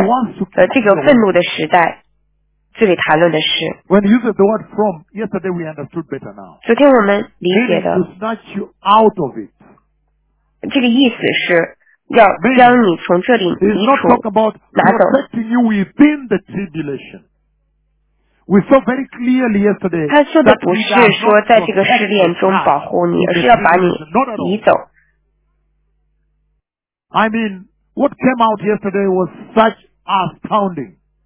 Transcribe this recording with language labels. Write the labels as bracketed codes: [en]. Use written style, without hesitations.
[zh] 他是在说，他要，我会为你而击杀撒旦们，不是，他说的是一个时代要来，哈利路亚。然后很快你就意识到了试炼，这个愤怒的时代。这里谈论的是, [en] when you use the word from yesterday, we understood better now. [zh] 昨天我们理解的, [en] it is to snatch you out of it. [zh] 这个意思是要将你从这里移除, [en] it's not talking about protecting you within the tribulation. We saw very clearly yesterday. [zh] 他说的不是说在这个试炼中保护你, 而是要把你移走。 [en] I mean, what came out yesterday was such astounding.